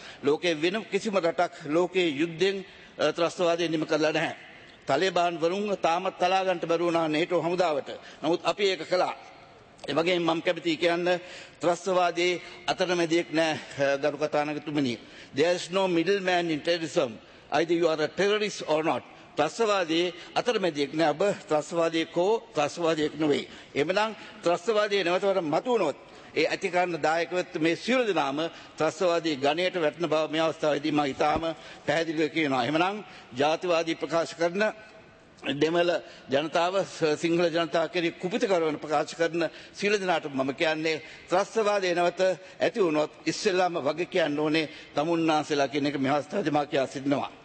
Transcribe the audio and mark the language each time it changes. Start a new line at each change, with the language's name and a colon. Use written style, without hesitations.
Sinhala: ලෝකේ වෙන කිසිම රටක් ලෝකේ යුද්ධෙන් ත්‍රස්තවාදී නිම කරලා නැහැ. තලෙබාන් වරුන් තාමත් තලාගන්ට බැරුණා නේටෝ හමුදාවට. නමුත් අපි ඒක කළා. ඒ වගේම මම කැමති කියන්න ත්‍රස්තවාදී අතරමැදියෙක් නැහැ ගරු කතානායකතුමනි.
English: There is no middle man in terrorism. Either you are a terrorist or not.
Sinhala: ත්‍රස්තවාදී අතරමැදියෙක් නෑ ඔබ. ත්‍රස්තවාදීකෝ ත්‍රස්තවාදීෙක් නෙවෙයි. එමනම් ත්‍රස්තවාදී නැවතවර මතුනොත් ඒ ඇතිකරන දායකවත් මේ සියලු දෙනාම ත්‍රස්තවාදී ගණයට වැටෙන බව මේ අවස්ථාවේදී මම ඉතාම පැහැදිලිව කියනවා. එමනම් ජාතිවාදී ප්‍රකාශ කරන දෙමළ ජනතාව සිංහල ජනතාව කෙරෙහි කුපිත කරන ප්‍රකාශ කරන සියලු දෙනාට මම කියන්නේ ත්‍රස්තවාදය නැවත ඇති වුණොත් ඉස්සෙල්ලාම වග කියන්න ඕනේ තමුන්නාසෙලා කියන එක මේ අවස්ථාවේදී මා කියා සිටිනවා.